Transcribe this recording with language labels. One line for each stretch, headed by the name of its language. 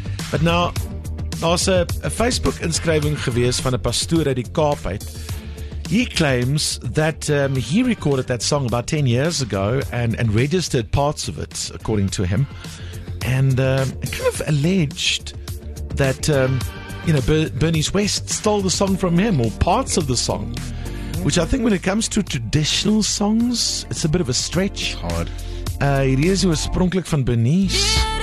English: But now,
Afrikaans: daar's 'n Facebook inskrywing gewees van 'n pastoor uit die Kaap uit.
English: He claims that he recorded that song about 10 years ago and registered parts of it, according to him. And kind of alleged that Bernice West stole the song from him, or parts of the song, which I think when it comes to traditional songs, it's a bit of a stretch. It's hard.
Afrikaans: Hier is die oorspronklik van Bernice.